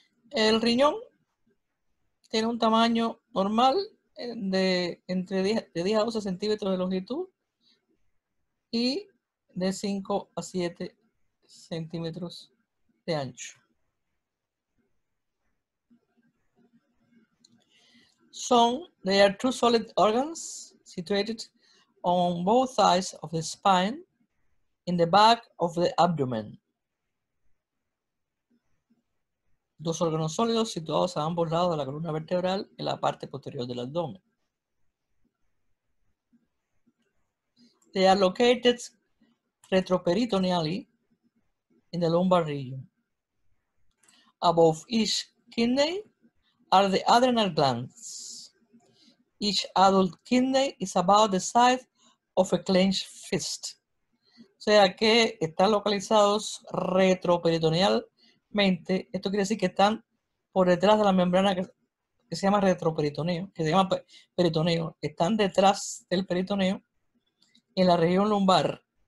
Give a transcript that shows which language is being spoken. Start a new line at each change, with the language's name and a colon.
Spanish: El riñón tiene un tamaño normal de entre 10, de 10 a 12 centímetros de longitud y de 5 a 7 centímetros de ancho.
English: Son, they are two solid organs situated on both sides of the spine in the back of the abdomen.
Spanish: Dos órganos sólidos situados a ambos lados de la columna vertebral en la parte posterior del abdomen.
English: They are located retroperitoneally in the lumbar region. Above each kidney are the adrenal glands. Each adult kidney is about the size of a clenched fist.
Spanish: O sea que están localizados retroperitoneal. Mente, esto quiere decir que están por detrás de la membrana que se llama retroperitoneo, que se llama peritoneo, están detrás del peritoneo en la región lumbar.